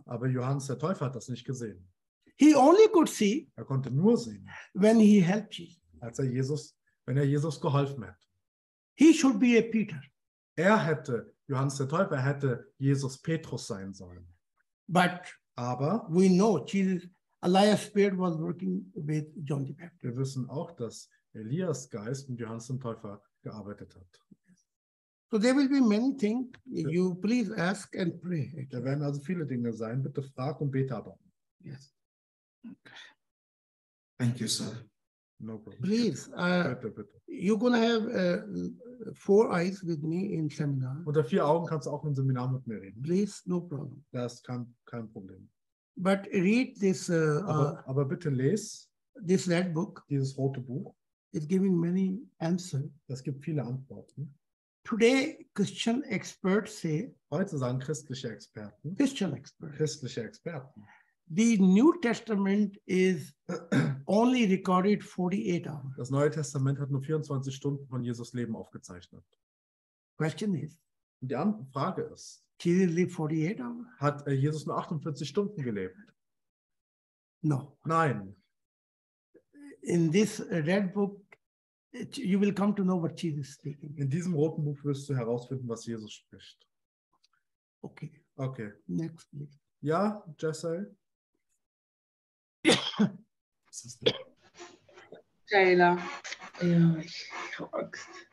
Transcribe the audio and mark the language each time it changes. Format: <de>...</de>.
<de>Aber Johannes der Täufer hat das nicht gesehen.</de> <en>He only could see.</en> <de>Er konnte nur sehen.</de> <en>When he helped Jesus.</en> <de>Wenn er Jesus geholfen hat.</de> <en>He should be a Peter.</en> <de>Johannes der Täufer hätte Jesus Petrus sein sollen.</de> <en>But</en> <de>aber</de> <en>we know Jesus, Elijah's spirit was working with John the Baptist.</en> <de>Wir wissen auch, dass Elias Geist mit Johannes dem Täufer gearbeitet hat.</de> <en>So there will be many things. You please ask and pray.</en> <de>Da werden also viele Dinge sein. Bitte frag und bete aber.</de> <en>Yes. Thank you, sir. No problem. Please, bitte. You're gonna have four eyes with me in seminar.</en> <de>Unter vier Augen kannst du auch im Seminar mit mir reden.</de> <en>Please, no problem.</en> <de>Das kann kein Problem.</de> <en>But read this.</en> <de>Aber bitte lese.</de> <en>This red book.</en> <de>Dieses rote Buch.</de> <en>It's giving many answers.</en> <de>Das gibt viele Antworten.</de> <en>Today, Christian experts say.</en> <de>Heute sagen christliche Experten.</de> <en>Christian experts.</en> <de>Christliche Experten.</de> <en>The New Testament is only recorded 48 hours.</en> <de>Das Neue Testament hat nur 24 Stunden von Jesus Leben aufgezeichnet.</de> <en>Question is.</en> <de>Und die andere Frage ist.</de> <en>Jesus lived 48 hours.</en> <de>Hat Jesus nur 48 Stunden gelebt?</de> <en>No.</en> <de>Nein.</de> <en>In this red book, you will come to know what Jesus is speaking.</en> <de>In diesem roten Buch wirst du herausfinden, was Jesus spricht.</de> <en>Okay.</en> <de>Okay.</de> <en>Next, please.</en> <de>Ja, Jesse. Taylor. Ja, ich habe Angst.</de>